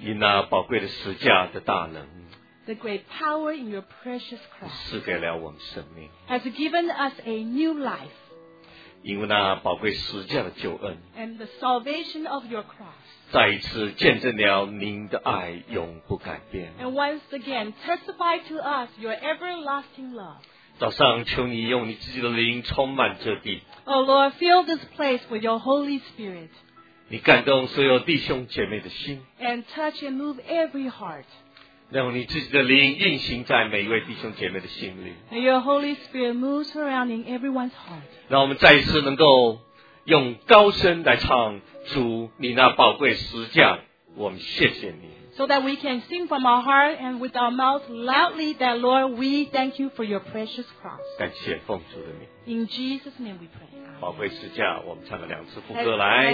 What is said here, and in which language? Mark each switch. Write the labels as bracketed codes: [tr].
[zh] 以那宝贵的十字架的大能。 [en] The great power in your precious cross. [zh] 赐给了我们生命。 [en] Has given us a new life. [zh] 因为那宝贵十字架的救恩 [en] and the salvation of your cross, [zh] 再一次见证了您的爱永不改变 [en] and once again testify to us your everlasting love. [zh] 早上求你用你自己的灵充满这地 [en] Oh Lord, fill this place with your Holy Spirit. [zh] 你感动所有弟兄姐妹的心 [en] and touch and move every heart. [zh] 让你自己的灵运行在每一位弟兄姐妹的心里。 [en] And your Holy Spirit moves around in everyone's heart. [zh] 让我们再一次能够用高声来唱主你那宝贵十字架，我们谢谢你。 [en] So that we can sing from our heart and with our mouth loudly that Lord, we thank you for your precious cross. [zh] 感谢奉主的名。 [en] In Jesus' name we pray. [zh] 宝贵十字架，我们唱了两次副歌来。